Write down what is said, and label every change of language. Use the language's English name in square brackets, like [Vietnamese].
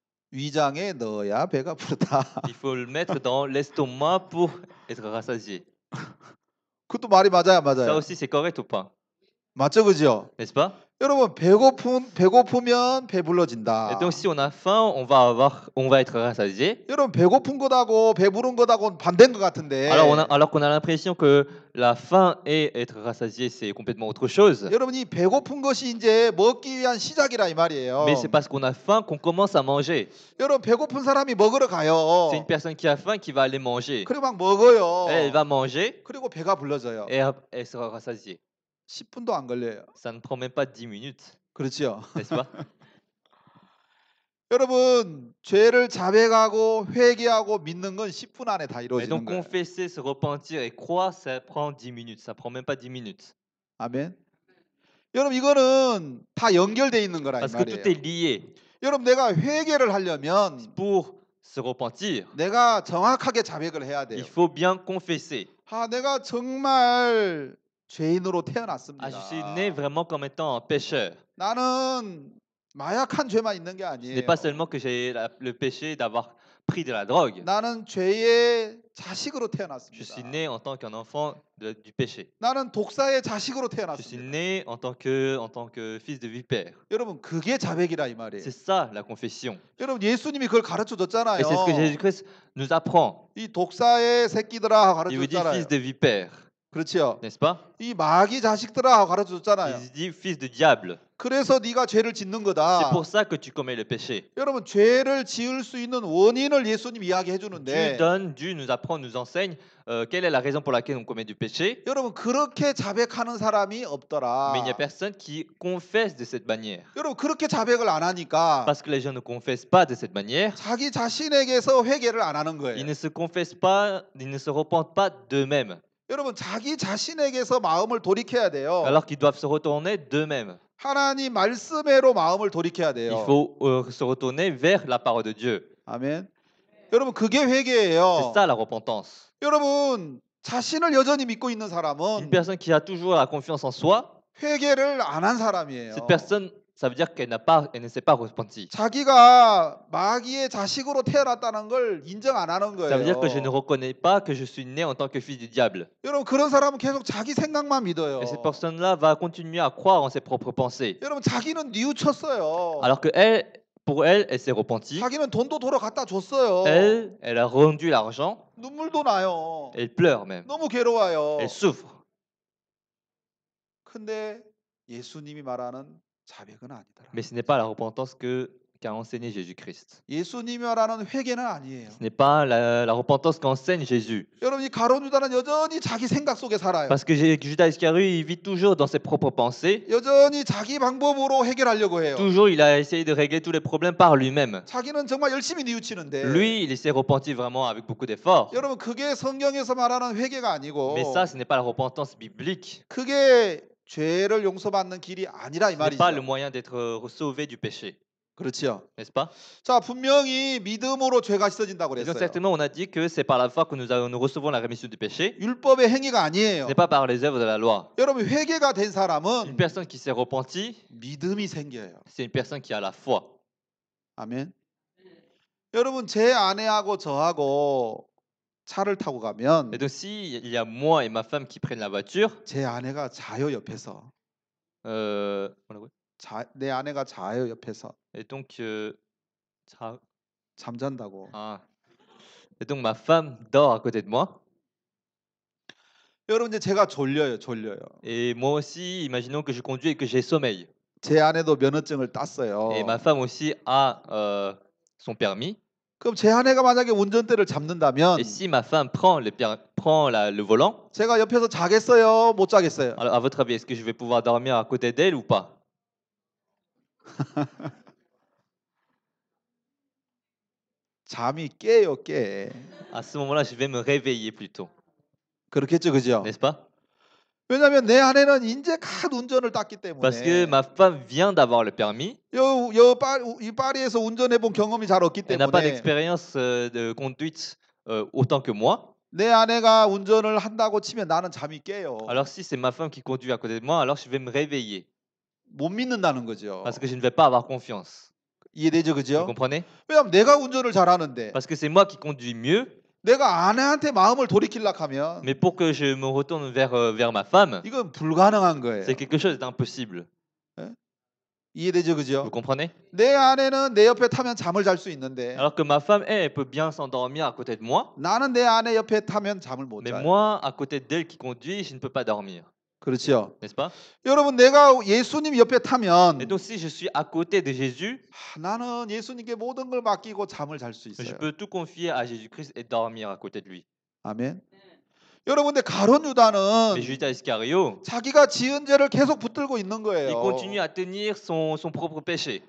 [Korean] 위장에 넣어야 배가 부르다. [French] Il faut le mettre dans l'estomac pour être rassasié. [Korean] 그것도 말이 맞아요, 맞아요. [French] Ça aussi c'est correct ou pas? [Korean] 맞죠, 그죠? [French] N'est-ce pas? [Korean] 여러분 배고프면 배불러진다. [French] Et donc si on a faim, on va être rassasié. [Korean] 여러분 배고픈 거다고 배부른 거다고는 반대인 것 같은데. [French] Alors qu'on a l'impression que la faim et être rassasié c'est complètement autre chose. [Korean] 여러분이 배고픈 것이 이제 먹기 위한 시작이라 이 말이에요. [French] Mais c'est parce qu'on a faim qu'on commence à manger. [Korean] 여러분 배고픈 사람이 먹으러 가요. [French] C'est une personne qui a faim qui va aller manger. [Korean] 그리고 막 먹어요. [French] Et elle va manger. [Korean] 그리고 배가 불러져요. [French] Et elle sera rassasiée. [Korean] 10분도 안 걸려요. [French] Ça ne prend même pas 10 minutes. [Korean] 그렇죠. [French] N'est-ce pas? [Korean] 여러분, 죄를 자백하고 회개하고 믿는 건 10분 안에 다 이루어지는 거예요. [French] Confesser, se repentir et croire, ça prend 10 minutes. Ça prend même pas 10 minutes. [Korean] 아멘. 여러분, 이거는 다 연결돼 있는 거라 이 말이에요. [French] Parce que tout est lié. [Korean] 여러분, 내가 회개를 하려면 [French] pour se repentir. [Korean] 내가 정확하게 자백을 해야 돼요. [French] Il faut bien confesser. [Korean] 아, 내가 정말 죄인으로 태어났습니다. [French] Ah, je suis né vraiment comme étant un pécheur. [Korean] 나는 마약한 죄만 있는 게 아니에요. [French] Ce n'est pas seulement que j'ai le péché d'avoir pris de la drogue. [Korean] 나는 죄의 자식으로 태어났습니다. [French] Je suis né en tant qu'un enfant du péché. [Korean] 나는 독사의 자식으로 태어났습니다. [French] Je suis né en tant que fils de vipère. [Korean] 여러분, 그게 자백이라 이 말이에요. [French] C'est ça la confession. [Korean] 여러분, 예수님이 그걸 가르쳐 줬잖아요. [French] Et c'est ce que Jésus-Christ nous apprend. [Korean] 이 독사의 새끼들아 가르쳐 줬잖아요. [French] Fils de vipère. [Korean] 그렇죠. [French] N'est-ce pas? [Korean] 이 마귀 자식들아 가르쳐 줬잖아요. [French] Les fils de diable. [Korean] 그래서 네가 죄를 짓는 거다. [French] C'est pour ça que tu commets le péché. [Korean] 여러분, 죄를 지을 수 있는 원인을 예수님 이야기해 주는데. [French] Dieu nous apprend, nous enseigne quelle est la raison pour laquelle on commet du péché. [Korean] 여러분, 그렇게 자백하는 사람이 없더라. [French] Mais il n'y a personne qui confesse de cette manière. [Korean] 여러분, 그렇게 자백을 안 하니까. [French] Parce que les gens ne confessent pas de cette manière. [Korean] 자기 자신에게서 회개를 안 하는 거예요. [French] Ils ne se repentent pas d'eux-mêmes. [Korean] 여러분, 자기 자신에게서 마음을 돌이켜야 돼요. [French] Alors qu'ils doivent se retourner d'eux-mêmes. [Korean] 하나님 말씀으로 마음을 돌이켜야 돼요. [French] Il faut se retourner vers la parole de Dieu. [Korean] 아멘. 여러분, 그게 회개예요. [French] C'est ça la repentance. [Korean] 여러분, 자신을 여전히 믿고 있는 사람은 [French] une personne qui a toujours la confiance en soi [Korean] 회개를 안 한 사람이에요. [French] Cette personne, ça veut dire qu'elle ne s'est pas repenti. [Korean] 자기가 마귀의 자식으로 태어났다는 걸 인정 안 하는 거예요. [French] Ça veut dire que je ne reconnais pas que je suis né en tant que fils du diable. [Korean] 여러분, 그런 사람은 계속 자기 생각만 믿어요. [French] Et cette personne-là va continuer à croire en ses propres pensées. [Korean] 여러분, 자기는 뉘우쳤어요. [French] Alors que pour elle, elle s'est repentie. [Korean] 자기는 돈도 돌아갖다 줬어요. [French] Elle a rendu l'argent. [Korean] 눈물도 나요. [French] Elle pleure même. [Korean] 너무 괴로워요. [French] Elle souffre. [Korean] 근데 예수님이 말하는 자백은 아니더라. [French] Mais ce n'est pas la repentance qu'a enseigné Jésus-Christ. [Korean] 예수님이 말하는 회개는 아니에요. [French] Ce n'est pas la repentance qu'enseigne Jésus. [Korean] 여러분, 이 가룟 유다는 여전히 자기 생각 속에 살아요. [French] Parce que Judas Iscariot il vit toujours dans ses propres pensées. [Korean] 여전히 자기 방법으로 해결하려고 해요. [French] Toujours il a essayé de régler tous les problèmes par lui-même. [Korean] 자기는 정말 열심히 뉘우치는데. [French] Lui il s'est repenti vraiment avec beaucoup d'efforts. [Korean] 여러분, 그게 성경에서 말하는 회개가 아니고. [French] Mais ça ce n'est pas la repentance biblique. [Korean] 그게 죄를 용서받는 길이 아니라 이 말이죠. [French] C'est pas le moyen d'être sauvé du péché. [Korean] 그렇죠. [French] N'est-ce pas? [Korean] 자, 분명히 믿음으로 죄가 씻어진다고 그랬어요. [French] Certainement on a dit que c'est par la foi que nous recevons la rémission du péché. [Korean] 율법의 행위가 아니에요. [French] C'est pas par les œuvres de la loi. [Korean] 여러분, 회개가 된 사람은 [French] une personne qui s'est repenti [Korean] 믿음이 생겨요. [French] C'est une personne qui a la foi. [Korean] 아멘. 여러분, 제 아내하고 저하고 차를 타고 가면 [French] Et donc, si il y a moi et ma femme qui prennent la voiture [Korean] 제 아내가 자요 옆에서 뭐라고요? 자, 내 아내가 자요 옆에서 [French] Et donc, [Korean] 잠잔다고 아. [French] Et donc ma femme dort à côté de moi [Korean] 여러분 이제 제가 졸려요 [French] Et moi aussi imaginons que je conduis et que j'ai sommeil [Korean] 제 아내도 면허증을 땄어요 [French] Et ma femme aussi a son permis [Korean] 그럼 제 아내가 만약에 운전대를 잡는다면 [French] Et si ma femme prend le volant [Korean] 제가 옆에서 자겠어요? 못 자겠어요? [French] Alors, à votre avis, est-ce que je vais pouvoir dormir à côté d'elle ou pas? [Korean] 잠이 깨요, 깨. [French] À ce moment-là, je vais me réveiller plutôt. [Korean] 그렇겠죠, 그죠? [French] N'est-ce pas? [Korean] 왜냐면 내 아내는 이제 갓 운전을 땄기 때문에 [French] Parce que ma femme vient d'avoir le permis. [Korean] 요 파리에서 운전해 본 경험이 잘 없기 때문에 [French] Elle n'a pas d'expérience de conduite autant que moi. [Korean] 내 아내가 운전을 한다고 치면 나는 잠이 깨요. [French] Alors si c'est ma femme qui conduit à côté de moi, alors je vais me réveiller. [Korean] 못 믿는다는 거죠. [French] Parce que je ne vais pas avoir confiance. [Korean] 이해되죠, 그죠? [French] Vous comprenez? [Korean] 왜냐면 내가 운전을 잘하는데 [French] Parce que c'est moi qui conduis mieux. [Korean] 내가 아내한테 마음을 돌이키려고 하면 [French] Mais pour que je me retourne vers ma femme [Korean] 이건 불가능한 거예요. [French] C'est quelque chose d'impossible. [Korean] 이해되죠, 그죠? [French] Vous comprenez? [Korean] 내 아내는 내 옆에 타면 잠을 잘 수 있는데 [French] Alors que ma femme elle peut bien s'endormir à côté de moi [Korean] 나는 내 아내 옆에 타면 잠을 못 자요. [French] Mais moi à côté d'elle qui conduit, je ne peux pas dormir. [Korean] 그렇죠. [French] N'est-ce pas? [Korean] 여러분, 내가 예수님 옆에 타면 [French] Et donc si je suis à côté de Jésus, [Korean] 나는 예수님께 모든 걸 맡기고 잠을 잘 수 있어요. [French] Je peux tout confier à Jésus-Christ et dormir à côté de lui. [Korean] 아멘. 여러분, 근데 가룟 유다는 [French] Mais Judas Iscariot [Korean] 자기가 지은 죄를 계속 붙들고 있는 거예요. [French] Il continue à tenir son propre péché.